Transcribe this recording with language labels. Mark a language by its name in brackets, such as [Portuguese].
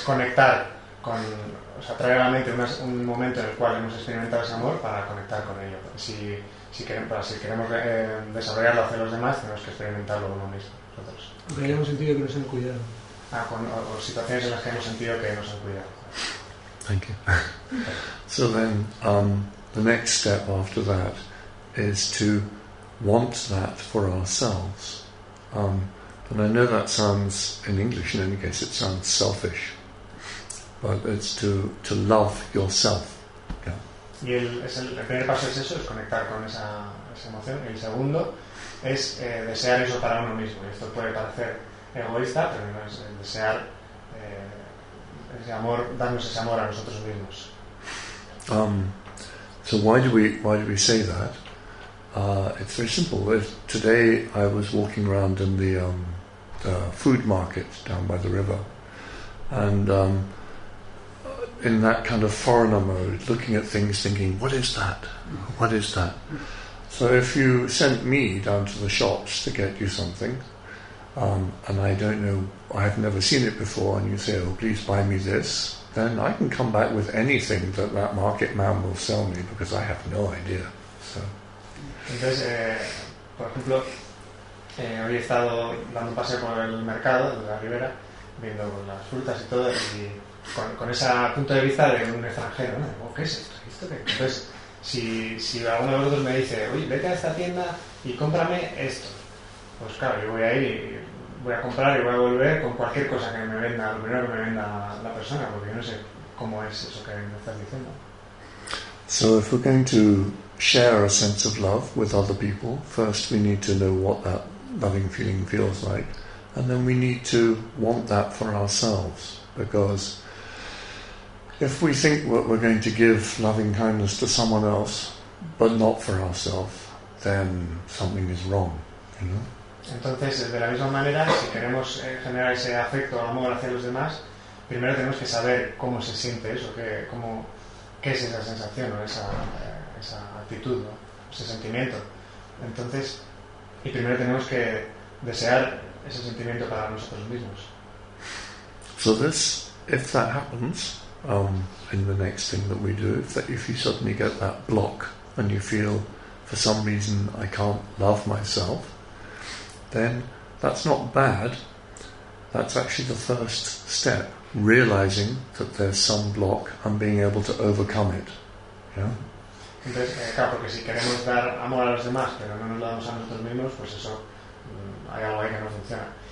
[Spanish] conectar con, o sea, traer a la mente un momento en el cual hemos experimentado ese amor para conectar con ello. Si queremos desarrollarlo hacia los demás, tenemos que experimentarlo uno mismo. Nosotros. Porque hayamos sentido que nos han cuidado. O situaciones en las que hemos sentido que nos han cuidado. [English] Thank you. So then, the next step after that is to want that for ourselves. And I know that sounds, in English in any case, it sounds selfish, but it's to love yourself. Yeah. [Spanish] Y el primer paso es eso, es conectar con esa emoción. Y el segundo es desear eso para uno mismo. Y esto puede parecer egoísta, pero no es el desear ese amor, darnos ese amor a nosotros mismos. [English] So why do we say that? It's very simple. Today I was walking around in the food market down by the river, and in that kind of foreigner mode, looking at things, thinking, "What is that? What is that?" So if you sent me down to the shops to get you something, and I don't know, I have never seen it before, and you say, "Oh, please buy me this," then I can come back with anything that market man will sell me, because I have no idea. So. [Spanish] Entonces, por ejemplo, hoy he estado dando un paseo por el mercado de la ribera, viendo las frutas y todo, y con ese punto de vista de un extranjero, ¿no? ¿Qué es esto? Entonces, si alguno de vosotros me dice, oye, vete a esta tienda y cómprame esto, pues claro, yo voy a ir y voy a comprar y voy a volver con cualquier cosa que me venda, lo primero que me venda la persona, porque yo no sé cómo es eso que me estás diciendo. [English] So if we're going to share a sense of love with other people, first we need to know what that loving feeling feels like, and then we need to want that for ourselves, because if we think that we're going to give loving kindness to someone else but not for ourselves, then something is wrong, you know? [Spanish] Entonces, de la misma manera, si queremos generar ese afecto o amor hacia los demás, primero tenemos que saber cómo se siente eso, qué es esa sensación o esa actitud, ¿no? Ese sentimiento. Entonces, y primero tenemos que desear ese sentimiento para nosotros mismos. [English] So this, if that happens, in the next thing that we do, if you suddenly get that block and you feel, for some reason, I can't love myself, then that's not bad. That's actually the first step, realizing that there's some block and being able to overcome it. Yeah. [Spanish] Entonces, claro, porque si queremos dar amor a los demás, pero no nos lo damos a nosotros mismos, pues eso, hay algo ahí que no funciona.